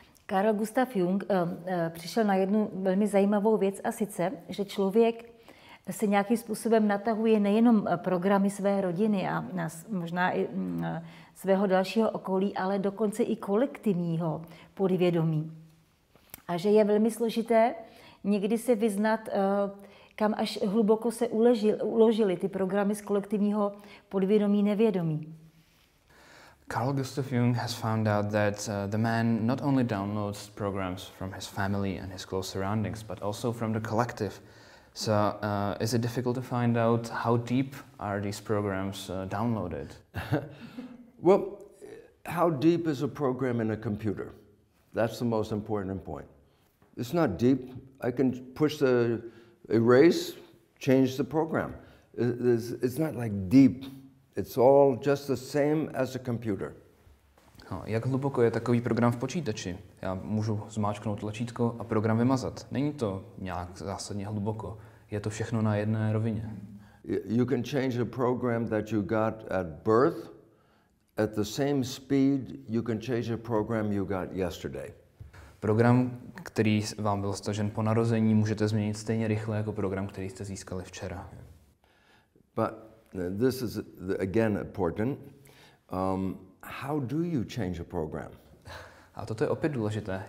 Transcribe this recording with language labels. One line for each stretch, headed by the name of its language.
Czech: Carl Gustav Jung přišel na jednu velmi zajímavou věc, a sice, že člověk se nějakým způsobem natahuje nejenom programy své rodiny a možná i svého dalšího okolí, ale dokonce i kolektivního podvědomí. A že je velmi složité někdy se vyznat, kam až hluboko se uložily ty programy z kolektivního podvědomí, nevědomí.
English: Carl Gustav Jung has found out that the man not only downloads programs from his family and his close surroundings, but also from the collective. So is it difficult to find out how deep are these programs downloaded? Well, how deep is a program in a computer? That's the most important point. It's not deep. I can push the erase, change the program. It's not like deep. It's all just the same as a computer.
Czech: No, jak hluboko je takový program v počítači? Já můžu zmáčknout tlačítko a program vymazat. Není to nějak zásadně hluboko. Je to všechno na jedné rovině.
English: You can change a program that you got at birth at the same speed you can change a program you got yesterday.
Czech: Program, který vám byl stažen po narození, můžete změnit stejně rychle jako program, který jste získali včera.
English: But this is again important. How do you change a program?
Czech: A toto je opět důležité.